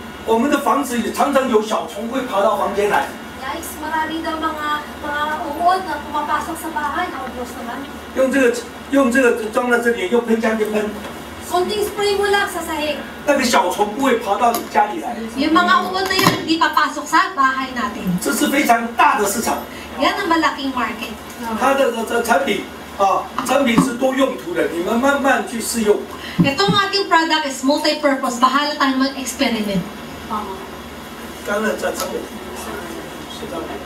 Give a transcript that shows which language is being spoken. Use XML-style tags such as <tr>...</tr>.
<zh>我们的房子也常常有小虫会爬到房间来。</zh> <tl>Yes, maraming daw mga uod na pumapasok sa bahay, obvious naman.</tl> <zh>用这个装在这里，用喷枪就喷。</zh> <tl>Konting spray mo lang sa sahig.</tl> <zh>那个小虫不会爬到你家里来。</zh> <tl>Yung mga uod na yan hindi papasok sa bahay natin.</tl> <zh>这是非常大的市场。</zh> <tl>yan ang malaking market.</tl> <zh>它的产品是多用途的，你们慢慢去试用。</zh> <tl>Itong ating</tl> <en>product is multi-purpose.</en> <tl>Bahala tayong mag-experiment.</tl> <zh>刚才在上面，是这样。</zh>